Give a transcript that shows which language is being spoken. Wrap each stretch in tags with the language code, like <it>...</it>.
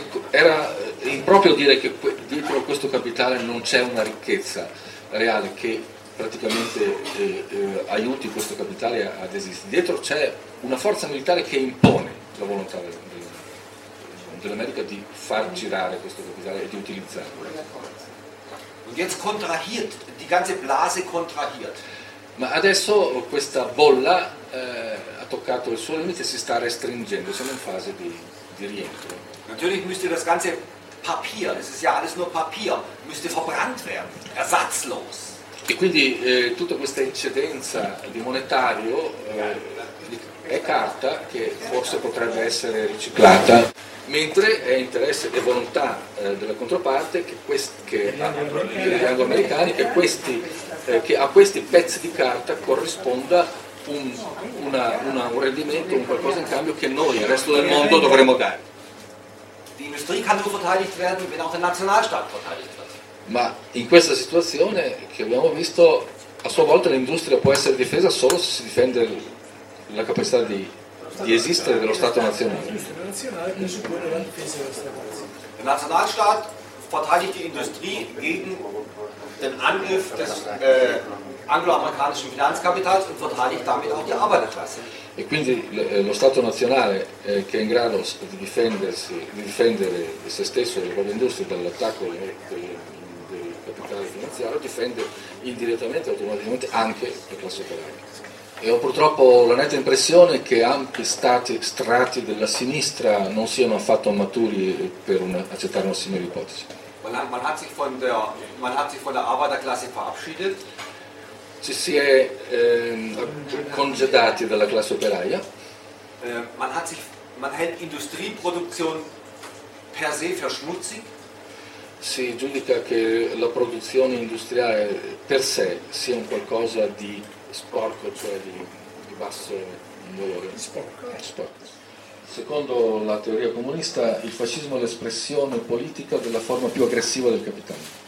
<it>Era improprio dire che dietro questo capitale non c'è una ricchezza reale che praticamente aiuti questo capitale ad esistere. Dietro c'è una forza militare che impone la volontà dell'America di far girare questo capitale e di utilizzarlo.</it> <de>Und jetzt kontrahiert, die ganze Blase kontrahiert.</de> <it>Ma adesso questa bolla ha toccato il suo limite e si sta restringendo, siamo in fase di rientro.</it> <de>Natürlich müsste das ganze Papier, es ist ja alles nur Papier, müsste verbrannt werden, ersatzlos.</de> <it>E quindi tutta questa incidenza di monetario è carta che forse potrebbe essere riciclata, mentre è interesse e volontà della controparte che anglo-americani che a questi pezzi di carta corrisponda un rendimento, un qualcosa in cambio che noi, il resto del mondo, dovremmo dare. L'industria può essere</it> <de>verteidigt werden, wenn auch der Nationalstaat verteidigt.</de> <it>Ma in questa situazione che abbiamo visto, a sua volta l'industria può essere difesa solo se si difende la capacità di esistere dello Stato nazionale. Il Nationalstaat</it> <de>verteidigt die Industrie gegen den Angriff des angloamericanischen Finanzkapitals und verteidigt damit auch die Arbeiterklasse.</de> <it>E quindi lo Stato nazionale che è in grado di difendersi, di difendere se stesso e le proprie industrie dall'attacco del capitale finanziario difende indirettamente e automaticamente anche la classe operaria. E ho purtroppo la netta impressione che ampi stati strati della sinistra non siano affatto maturi per accettare una simile ipotesi.</it> <de>Man hat sich von der Arbeiterklasse verabschiedet.</de> <it>Ci si è congedati dalla classe operaia.</it> <de>Man hält Industrieproduktion per se für schmutzig.</de> <it>Si giudica che la produzione industriale per sé sia un qualcosa di sporco, cioè di basso valore. Sporco. Secondo la teoria comunista, il fascismo è l'espressione politica della forma più aggressiva del capitale.</it>